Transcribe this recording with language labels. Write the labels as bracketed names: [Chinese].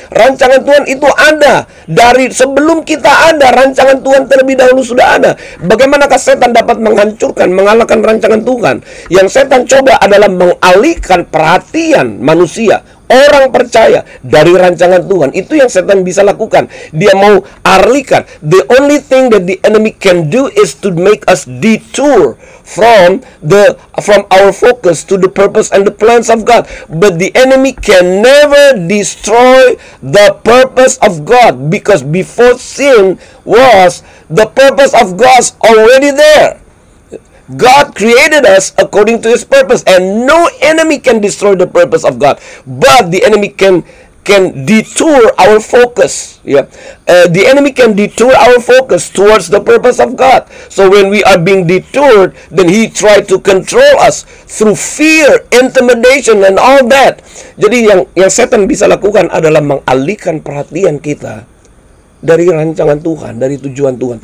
[Indonesian] Rancangan Tuhan itu ada. Dari sebelum kita ada, rancangan Tuhan terlebih dahulu sudah ada. Bagaimanakah setan dapat menghancurkan, mengalahkan rancangan Tuhan? Yang setan coba adalah mengalihkan perhatian manusia, orang percaya, dari rancangan Tuhan. Itu yang setan bisa lakukan. Dia mau alihkan. [English] The only thing that the enemy can do is to make us detour from our focus to the purpose and the plans of God. But the enemy can never destroy the purpose of God, because before sin was, the purpose of God is already there. God created us according to his purpose, and no enemy can destroy the purpose of God. But the enemy can detour our focus. The enemy can detour our focus towards the purpose of God. So when we are being detoured, then he tried to control us through fear, intimidation, and all that. [Indonesian] Jadi yang setan bisa lakukan adalah mengalihkan perhatian kita dari rancangan Tuhan, dari tujuan Tuhan.